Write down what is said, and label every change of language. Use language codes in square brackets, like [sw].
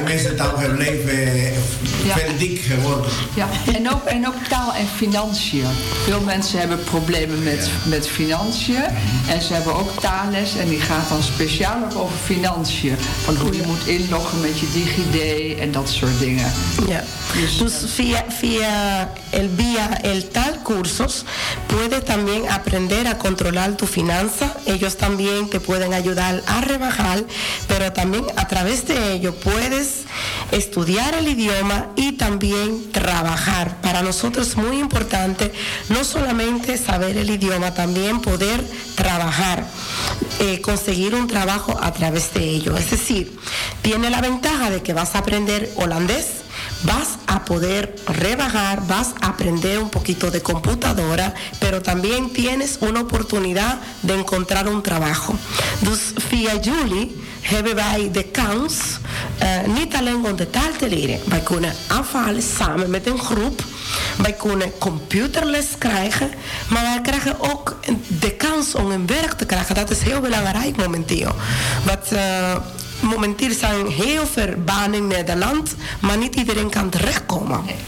[nl] Mensen taal gebleven veel dik geworden. Ja, en ook taal en financiën. Veel mensen hebben problemen met financiën. Mm-hmm. En ze hebben ook taalles. En die gaat dan speciaal ook over financiën. Van hoe je moet inloggen met je DigiD en dat soort dingen. Ja. [es] Dus via el via el tal cursos puedes también aprender a controlar tu finanza. Ellos también te pueden ayudar a rebajar, pero también a través de ello puedes estudiar el idioma y también trabajar. Para nosotros es muy importante no solamente saber el idioma, también poder trabajar, conseguir un trabajo a través de ello. Es decir, tiene la ventaja de que vas a aprender holandés, vas a poder rebajar, vas a aprender un poquito de computadora, pero también tienes una oportunidad de encontrar un trabajo. [nl] Dus via jullie hebben wij de kans, niet alleen om de taal te leren, wij kunnen aanvallen samen met een groep, wij kunnen computerles krijgen, maar wij krijgen ook de kans om een werk te krijgen. Dat is heel belangrijk momenteel. Wat momenteel zijn heel veel banen in Nederland, maar niet iedereen kan terechtkomen.